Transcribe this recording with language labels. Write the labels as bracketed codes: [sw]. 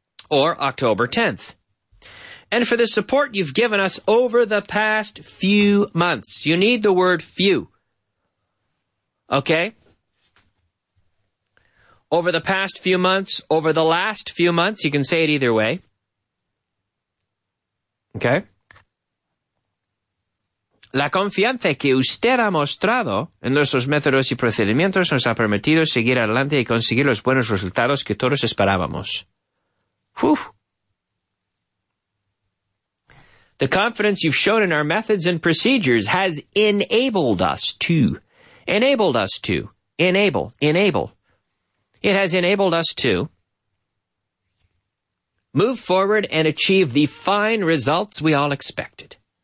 [en] Or October 10th. And for the support you've given us over the past few months. You need the word few. Okay? Over the past few months, over the last few months, you can say it either way. Okay? [es] La confianza que usted ha mostrado en nuestros métodos y procedimientos nos ha permitido seguir adelante y conseguir los buenos resultados que todos esperábamos. Whew. [en] The confidence you've shown in our methods and procedures has enabled us to move forward and achieve the fine results we all expected.